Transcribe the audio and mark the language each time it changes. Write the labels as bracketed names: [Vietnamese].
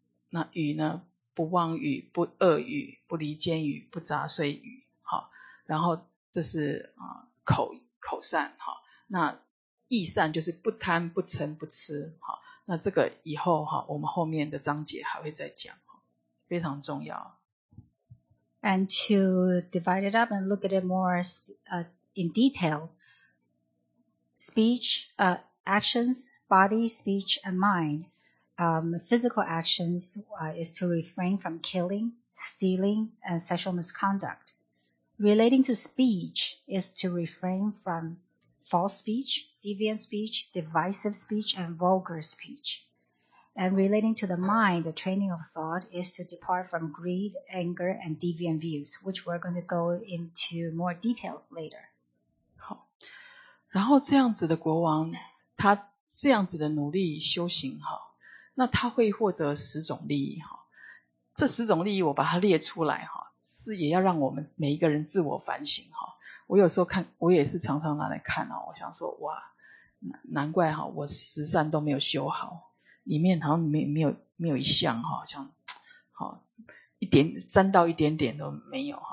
[Chinese] 那语呢，不妄语、不恶语、不离间语、不杂碎语，好，然后这是口善哈，那意善就是不贪、不嗔、不痴，好，那这个以后哈，我们后面的章节还会再讲，非常重要。 [English] And to divide it up and look at it more in detail, speech, actions, body, speech, and mind. Physical actions is to refrain from killing, stealing, and sexual misconduct. Relating to speech is to refrain from false speech, deviant speech, divisive speech, and vulgar speech. And relating to the mind, the training of thought is to depart from greed, anger, and deviant views, which we're going to go into more details later. [Chinese] 好，然后这样子的国王，他这样子的努力修行，那他会获得十种利益，这十种利益我把它列出来，是也要让我们每一个人自我反省。我有时候看，我也是常常拿来看，我想说，哇，难怪我十善都没有修好，里面好像没有一项，像一点沾到一点点都没有。